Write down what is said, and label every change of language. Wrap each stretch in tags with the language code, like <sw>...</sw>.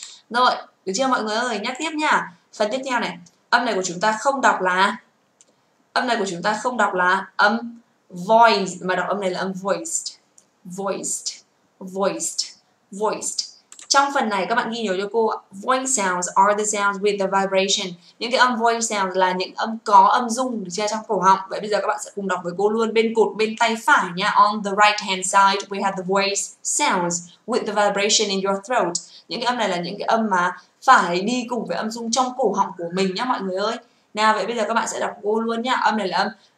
<vi>Rồi, được chưa mọi người ơi, nhắc tiếp nha. Phần tiếp theo này, âm này của chúng ta không đọc là, âm này của chúng ta không đọc là âm voiced, mà đọc âm này là âm voiced, voiced, voiced, voiced. Trong phần này các bạn ghi nhớ cho cô,</vi> <en>voiced sounds are the sounds with the vibration.</en> <vi>Những cái âm voiced sounds là những âm có âm rung được chia trong cổ họng. Vậy bây giờ các bạn sẽ cùng đọc với cô luôn, bên cột bên tay phải nha.</vi> <en>On the right hand side we have the voiced sounds with the vibration in your throat.</en> <vi>Những cái âm này là những cái âm mà phải đi cùng với âm rung trong cổ họng của mình nhá mọi người ơi. Nào vậy bây giờ các bạn sẽ đọc cô luôn nhá. Âm này là âm</vi>